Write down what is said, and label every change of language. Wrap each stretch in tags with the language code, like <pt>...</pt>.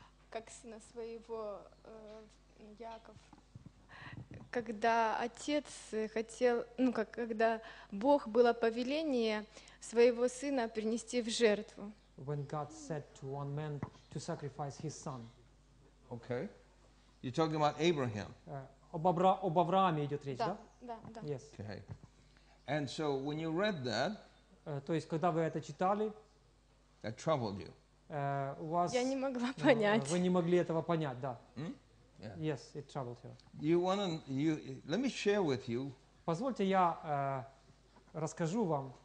<ru>Как сына своего Яков, когда отец хотел, ну как, когда Бог было повеление своего сына принести в жертву.</ru> <en>When God said to one man to sacrifice his son. Okay. You're talking about Abraham.</en> <ru>Об Аврааме идет речь, да? Да, да, да.</ru> <en>Yes. Okay. And so when you read that,</en> <ru>то есть когда вы это читали,</ru> <en>that troubled you.</en> <ru>Вас, я не могла понять. Вы не могли этого понять, да?</ru> <en>Mm? Yeah. Yes, it troubled her. You wanna, you, let me share with you.</en> <ru>Позвольте я расскажу вам.</ru>